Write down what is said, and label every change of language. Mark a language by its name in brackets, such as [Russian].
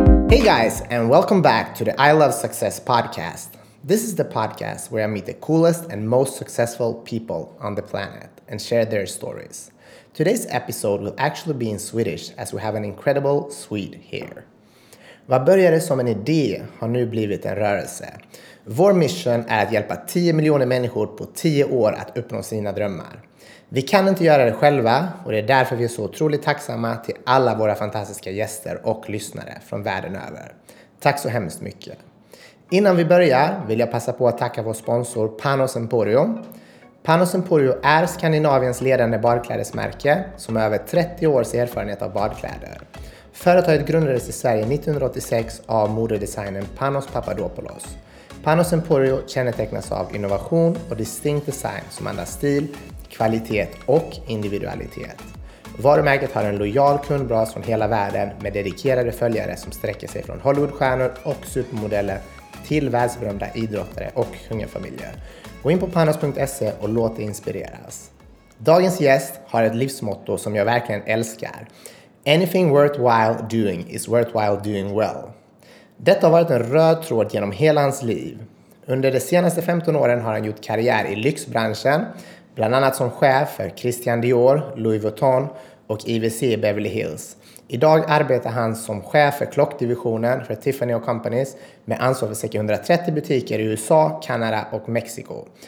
[English] Hey guys, and welcome back to the I Love Success podcast. This is the podcast where I meet the coolest and most successful people on the planet and share their stories. Today's episode will actually be in Swedish as we have an incredible Swede here. [Swedish] Vad började som en idé har nu blivit en rörelse. Vår mission är att hjälpa 10 miljoner människor på 10 år att uppnå sina drömmar. Vi kan inte göra det själva och det är därför vi är så otroligt tacksamma till alla våra fantastiska gäster och lyssnare från världen över. Tack så hemskt mycket. Innan vi börjar vill jag passa på att tacka vår sponsor Panos Emporio. Panos Emporio är Skandinaviens ledande badklädesmärke som har över 30 års erfarenhet av badkläder. Företaget grundades i Sverige 1986 av modedesignern Panos Papadopoulos. Panos Emporio kännetecknas av innovation och distinkt design som andas stil, kvalitet och individualitet. Varumärket har en lojal kundbas från hela världen med dedikerade följare som sträcker sig från Hollywoodstjärnor och supermodeller till världsberömda idrottare och kungafamiljer. Gå in på panos.se och låt dig inspireras. Dagens gäst har ett livsmotto som jag verkligen älskar. [English] Anything worthwhile doing is worthwhile doing well. [Swedish] Detta har varit en röd tråd genom hela hans liv. Under de senaste 15 åren har han gjort karriär i lyxbranschen, bland annat som chef för Christian Dior, Louis Vuitton och IVC Beverly Hills. Idag arbetar han som chef för klockdivisionen för Tiffany & Companies med ansvar för cirka 130 butiker i USA, Kanada och Mexiko.